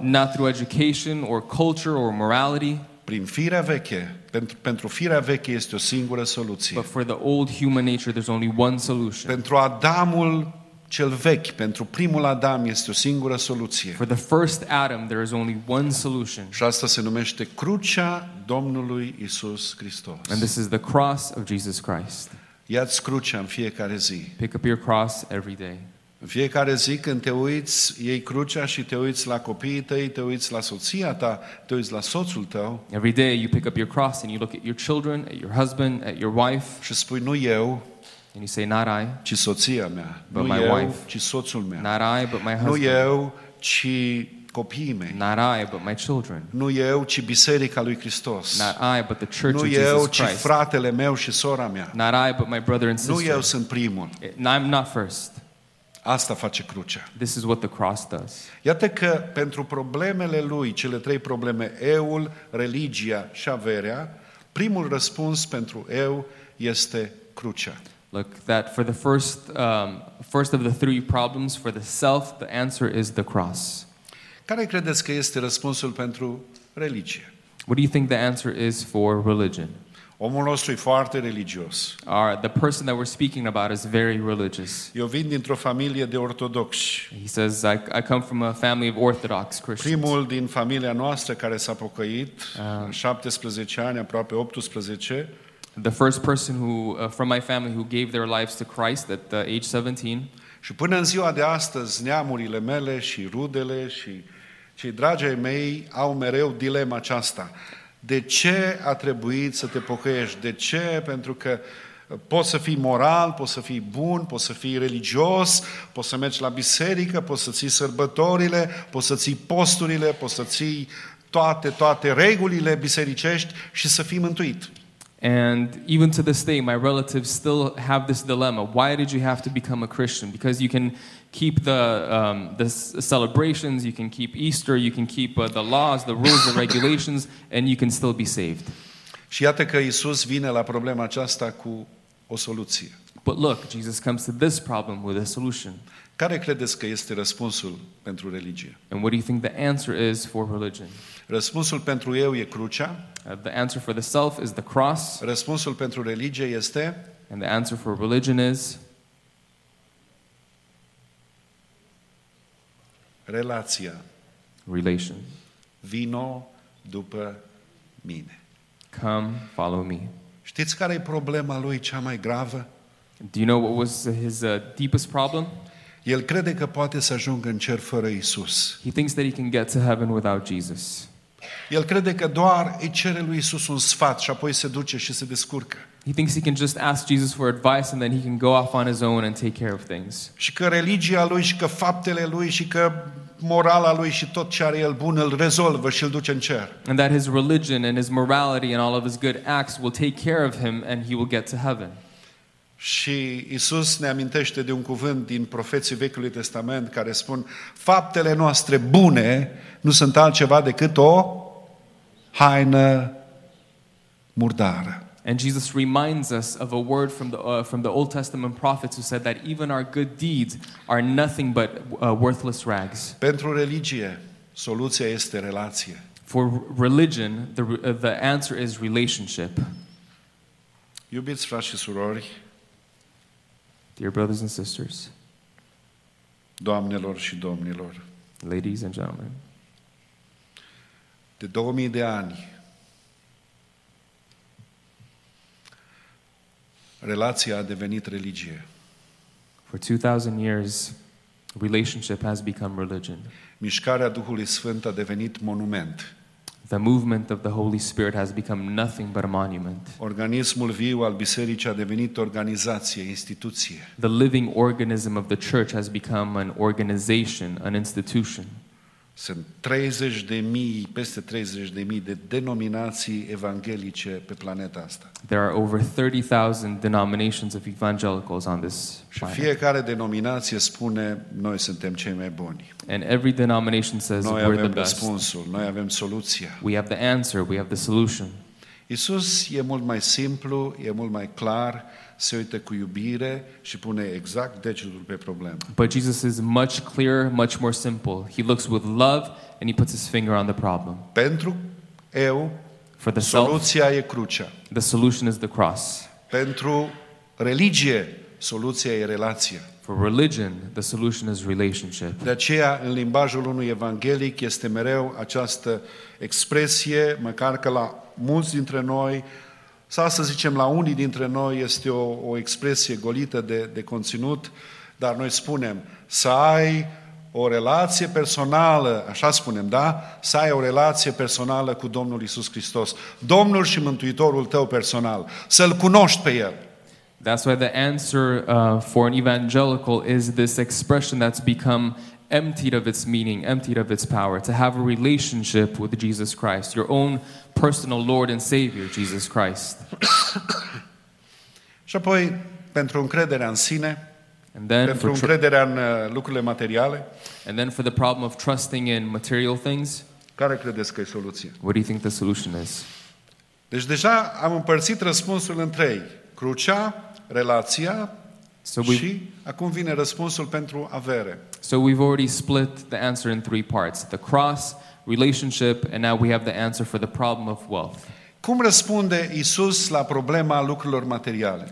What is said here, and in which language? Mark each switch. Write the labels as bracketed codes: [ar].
[en] Not through education or culture or morality. [ro] Prin firea veche. Pentru firea veche este o singură soluție. [en] But for the old human nature, there's only one solution. [ro] Pentru Adamul cel vechi, pentru primul Adam, este o singură soluție. [en] For the first Adam, there is only one solution. [ro] Și asta se numește crucea Domnului Iisus Hristos. [en] And this is the cross of Jesus Christ. [ro] Ia-ți crucea în fiecare zi. [en] Pick up your cross every day. [ro] În fiecare zi când te uiți, iei crucea și te uiți la copiii tăi, te uiți la soția ta, te uiți la soțul tău. [en] Every day you pick up your cross and you look at your children, at your husband, at your wife. [ro] Și spui, nu eu. [en] And you say, not I. [ro] Ci soția mea. [en] But [ro] nu [en] my [ro] eu, [en] wife. [ro] Ci soțul meu. [en] Not I, but my husband. [ro] Nu eu, ci copiii mei. [en] Not I, but my children. [ro] Nu eu, ci biserica lui Hristos. [en] Not I, but the church [ro] nu [en] of Jesus Christ. [ro] Nu eu, ci fratele meu și sora mea. [en] Not I, but my brother and sister. [ro] Nu eu sunt primul. [en] I'm not first. [ro] Asta face crucea. [en] This is what the cross does. [ro] Iată că pentru problemele lui, cele trei probleme, euul, religia și averea, primul răspuns pentru eu este crucea. [en] Look, that for the first of the three problems, for the self, the answer is the cross. [ro] Care credeți că este răspunsul pentru religie? [en] What do you think the answer is for religion? [ro] Omul nostru e foarte religios. [en] The person that we're speaking about is very religious. [ro] Eu vin dintr-o familie de ortodoxi. [en] He says, I come from a family of Orthodox Christians. [ro] Primul din familia noastră care s-a pocăit, 17 ani, aproape 18. [en] The first person who, from my family who gave their lives to Christ at the age 17. [ro] Și până în ziua de astăzi, neamurile mele și rudele și cei dragi ai mei au mereu dilema aceasta. De ce a trebuit să te pocăiești? De ce? Pentru că poți să fii moral, poți să fii bun, poți să fii religios, poți să mergi la biserică, poți să ții sărbătorile, poți să ții posturile, poți să ții toate regulile bisericești și să fii mântuit. [en] And even to this day, my relatives still have this dilemma. Why did you have to become a Christian? Because you can keep the celebrations, you can keep Easter, you can keep the laws, the rules, the regulations, and you can still be saved. [ro] Și iată că Iisus vine la problema aceasta cu o soluție. [en] But look, Jesus comes to this problem with a solution. [ro] Care credeți că este răspunsul pentru religie? [en] And what do you think the answer is for religion? [ro] Răspunsul pentru eu e crucea. [en] The answer for the self is the cross. [ro] Răspunsul pentru religie este. [en] And the answer for religion is. [ro] Relația. [en] Relation. [ro] Vino după mine. [en] Come, follow me. [ro] Știți care e problema lui cea mai gravă? [en] Do you know what was his deepest problem? [ro] El crede că poate să ajungă în cer fără Iisus. [en] He thinks that he can get to heaven without Jesus. [ro] El crede că doar îi cere lui Iisus un sfat și apoi se duce și se descurcă. [en] He thinks he can just ask Jesus for advice and then he can go off on his own and take care of things. [ro] Și că religia lui și că faptele lui și că morala lui și tot ce are el bun îl rezolvă și îl duce în cer. [en] And that his religion and his morality and all of his good acts will take care of him and he will get to heaven. [ro] Și Iisus ne amintește de un cuvânt din profeții Vechiului Testament care spun faptele noastre bune nu sunt altceva decât o haină murdară. [en] And Jesus reminds us of a word from the Old Testament prophets who said that even our good deeds are nothing but worthless rags. [ro] Pentru religie, soluția este relație. [en] For religion, the answer is relationship. [ro] Iubiți frați și surori, [en] dear brothers and sisters, [ro] doamnelor și domnilor, [en] ladies and gentlemen, [ro] de 2000 de ani, relația a devenit religie. [en] For 2000 years, relationship has become religion. [ro] Mișcarea Duhului Sfânt a devenit monument. [en] The movement of the Holy Spirit has become nothing but a monument. [ro] Organismul viu al bisericii a devenit organizație, instituție. [en] The living organism of the church has become an organization, an institution. [ro] Sunt 30,000, peste 30,000 de denominații evanghelice pe planeta asta. [en] There are over 30,000 denominations of evangelicals on this planet. [ro] Și fiecare denominație spune noi suntem cei mai buni. [en] And every denomination says [ro] noi [en] we're the best. [ro] Noi avem răspunsul, noi avem soluția. [en] We have the answer, we have the solution. [ro] Iisus e mult mai simplu, e mult mai clar. Se uită cu iubire și pune exact degetul pe problemă. [en] But Jesus is much clearer, much more simple. He looks with love and he puts his finger on the problem. [ro] Pentru eu, [en] for the [ro] soluția [en] self, [ro] e crucea. [en] The solution is the cross. [ro] Pentru religie, soluția e relația. [en] For religion, the solution is relationship. [ro] De aceea, în limbajul unui evanghelic este mereu această expresie, măcar că la mulți dintre noi sau să zicem la unii dintre noi este o expresie golită de conținut, dar noi spunem să ai o relație personală, așa spunem, da? Să ai o relație personală cu Domnul Iisus Hristos, Domnul și Mântuitorul tău personal, să-L cunoști pe El. [en] That's why the answer for an evangelical is this expression that's become emptied of its meaning, emptied of its power, to have a relationship with Jesus Christ, your own personal Lord and Savior, Jesus Christ. [ro] Și apoi, pentru încrederea în sine, pentru încrederea în lucrurile materiale, [en] and then for the problem of trusting in material things, [ro] care credeți că e soluția? [en] What do you think the solution is? [ro] Deci deja am împărțit răspunsul în trei. Crucea, relația, și acum vine răspunsul pentru avere. [en] So we've already split the answer in three parts. The cross, relationship, and now we have the answer for the problem of wealth. [ro] Cum răspunde Iisus la problema lucrurilor materiale?